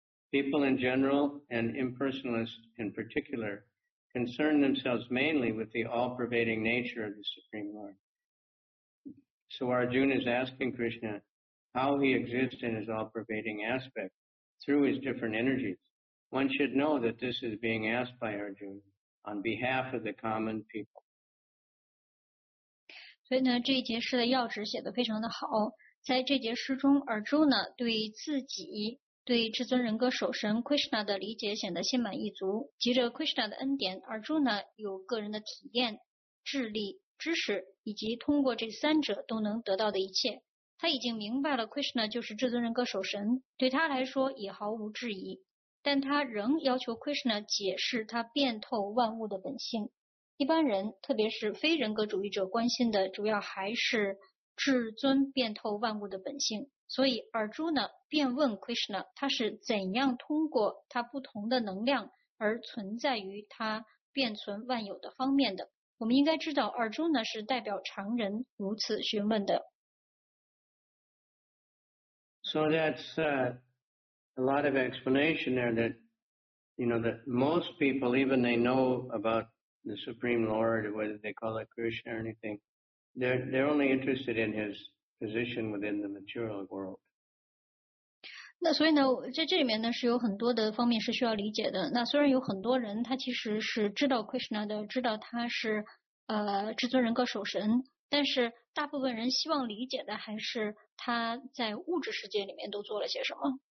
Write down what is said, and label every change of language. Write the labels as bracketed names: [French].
[English] People in general, and impersonalists in particular,concern themselves mainly with the all-pervading nature of the Supreme Lord. So Arjuna is asking Krishna how he exists in his all-pervading aspect through his different energies. One should know that this is being asked by Arjuna on behalf of the common people. [Chinese] 所以呢，这一节诗的要旨写得非常的好。在这节诗中，Arjuna对自己对至尊人格守神 Krishna 的理解显得心满意足，藉着 Krishna 的恩典 Arjuna 有个人的体验、智力、知识以及通过这三者都能得到的一切。他已经明白了 Krishna 就是至尊人格守神，对他来说也毫无质疑，但他仍要求 Krishna 解释他遍透万物的本性。一般人特别是非人格主义者关心的主要还是至尊遍透万物的本性，所以 Arjuna 便问 Krishna 他是怎样通过他不同的能量而存在于他遍存万有的方面的。我们应该知道尔朱呢是代表常人如此询问的。 [English] So that's a lot of explanation there that, you know, that most people, even they know about the Supreme Lord, whether they call it Krishna or anything, they're only interested in his position within the material world. [Chinese] 那所以呢，在这里面呢是有很多的方面是需要理解的。那虽然有很多人他其实是知道 Krishna 的，知道他是至尊人格守神，但是大部分人希望理解的还是他在物质世界里面都做了些什么。